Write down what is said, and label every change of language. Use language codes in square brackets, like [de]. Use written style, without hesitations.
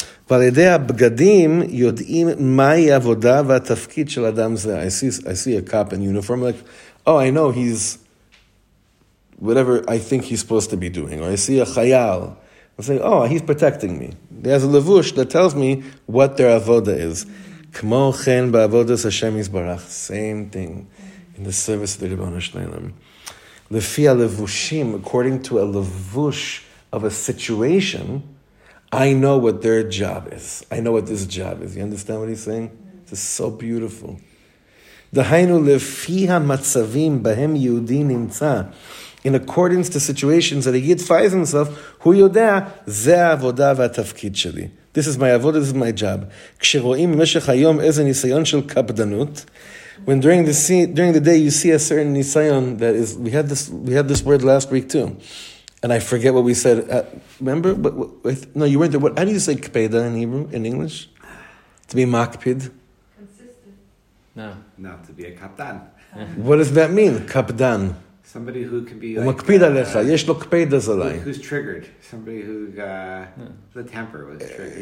[he] ועל ידי הבגדים יודעים מהי עבודה והתפקיד של אדם זה. [en] I see a cop in uniform, like, oh, I know he's whatever I think he's supposed to be doing. Or I see a chayal. I say, oh, he's protecting me. He has a levush that tells me what their avoda is. [he] כמו כן בעבודת השם יזברך. [en] Same thing in the service of the Ribbon Hashleilam. [he] לפי הלבושים, [en] according to a levush of a situation, I know what their job is. I know what this job is. You understand what he's saying? This is so beautiful. [he] דהיינו לפי המצבים בהם יהודי נמצא. [en] In accordance to situations that a Yid finds himself, [he] הוא יודע, זה העבודה והתפקיד שלי. [en] This is my avodah, this is my job. [he] כשרואים במשך היום איזה ניסיון של קפדנות, [en] when during the day you see a certain ניסיון that is, we had this word last week too. And I forget what we said. Remember? No, you weren't there. How do you say kpeda in Hebrew, in English? To be makpid? Consistent. No. Not to be a kapdan. What does that mean, kapdan? Somebody who can be like... [he] Makpid alecha. Yesh lo kpeda zalai. [en] Who's triggered. Somebody who... the temper was triggered.